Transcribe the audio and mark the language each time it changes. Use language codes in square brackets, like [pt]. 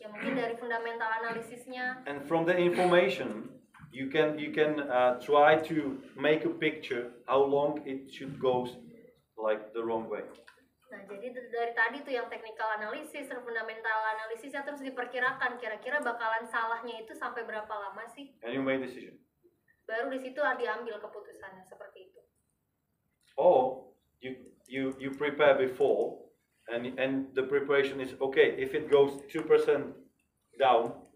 [id] Ya mungkin dari fundamental analisisnya. [en] And from the information. You can try to make a picture how long it should go like the wrong way. [id] Nah, jadi dari tadi tuh yang technical analysis, fundamental analysis ya, terus diperkirakan kira-kira bakalan salahnya itu sampai berapa lama sih? [en] And you make decision. [id] Baru di situ diambil keputusannya seperti itu. [en] Oh, you prepare before and the preparation is okay, if it goes 2% down.